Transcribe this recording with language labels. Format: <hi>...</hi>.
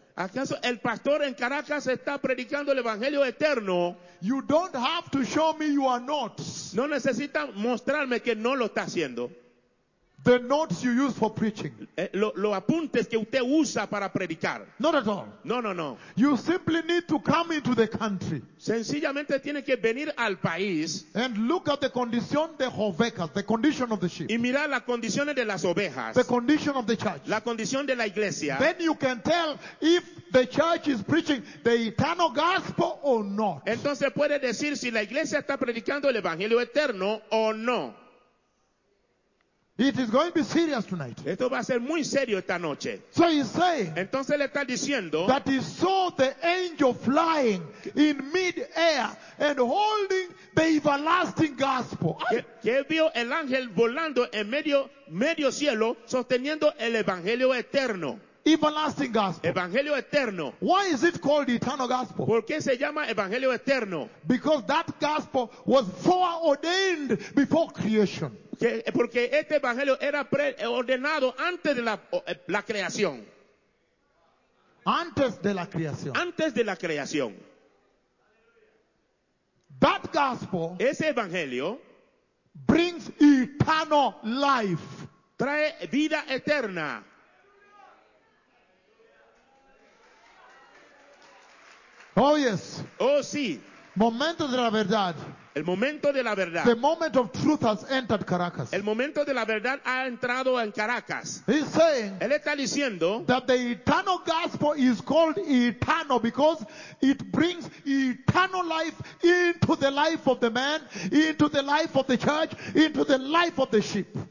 <es>¿Acaso el pastor en Caracas está predicando el evangelio eterno?</es> <en>You don't have to show me you are not.</en> <es>No necesita mostrarme que no lo está haciendo.</es> <en>The notes you use for preaching.</en> <es>Los apuntes que usted usa para predicar.</es> <en>Not at all.</en> <es>No.</es> <en>You simply need to come into the country.</en> <es>Sencillamente tiene que venir al país.</es> <en>And look at the condition of the ovejas, the condition of the sheep.</en> <es>Y mirar las condiciones de las ovejas.</es> <en>The condition of the church.</en> <es>La condición de la iglesia.</es> <en>Then you can tell if the church is preaching the eternal gospel or not.</en> <es>Entonces puede decir si la iglesia está predicando el evangelio eterno o no.</es> <en>It is going to be serious tonight.</en> <es>Esto va a ser muy serio esta noche.</es> <en>So he's saying,</en> <es>entonces le está diciendo,</es> <en>that he saw the angel flying in mid-air and holding the everlasting gospel.</en> <es>Que vio el ángel volando en medio cielo sosteniendo el evangelio eterno.</es> <en>Everlasting gospel.</en> <es>Evangelio eterno.</es> <en>Why is it called eternal gospel?</en> <es>¿Por qué se llama evangelio eterno?</es> <en>Because that gospel was foreordained before creation.</en> <es>Porque este evangelio era preordenado antes de la creación. Antes de la creación. Antes de la creación.</es> <en>That gospel,</en> <es>ese evangelio,</es> <en>brings eternal life.</en> <es>Trae vida eterna.</es> <en>Oh yes.</en> <es>Oh sí. Momento de la verdad. El momento de la verdad.</es> <en>The moment of truth has entered Caracas.</en> <es>El momento de la verdad ha entrado en Caracas.</es> <en>He's saying,</en> <es>él está diciendo,</es> <en>that the eternal gospel is called eternal because it brings eternal life into the life of the man, into the life of the church, into the life of the sheep.</en>